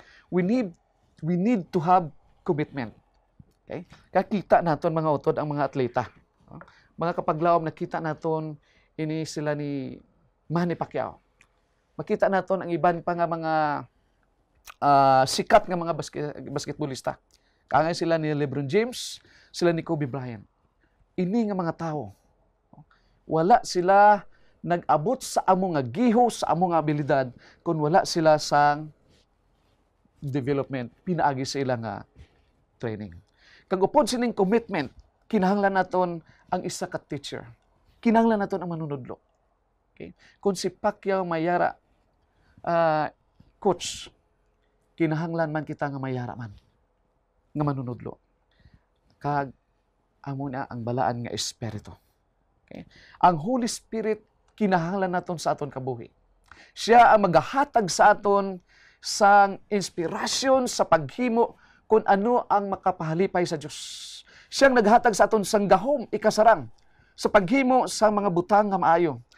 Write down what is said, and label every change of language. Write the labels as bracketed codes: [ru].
[en] We need to have commitment. Okay? [hil] Kaya kita naton mga utod ang mga atleta. Mga kapaglawom na kita naton ini sila ni Manny Pacquiao. Makita naton ang iban pa nga mga sikat nga mga basketbolista. Kaya sila ni LeBron James, sila ni Kobe Bryant. Ini nga mga tao. Wala sila nag-abot sa among nga giho, sa among nga abilidad, kun wala sila sang development, pinaagi sa ilang nga training. Kag upod sining commitment, kinahanglan naton ang isa ka teacher. Kinahanglan naton ang manunudlo. Okay? Kung si Pacquiao mayara coach, kinahanglan man kita nga mayara man nga manunudlo. Kag amon na ang balaan nga espiritu. [en] Okay? [hil] Ang Holy Spirit kinahanglan naton sa aton kabuhi. Siya ang maghahatag sa aton sang inspirasyon sa paghimo kung ano ang makapahalipay sa Diyos. Siyang naghatag sa aton sang gahom ikasarang sa paghimo sa mga butang nga maayo.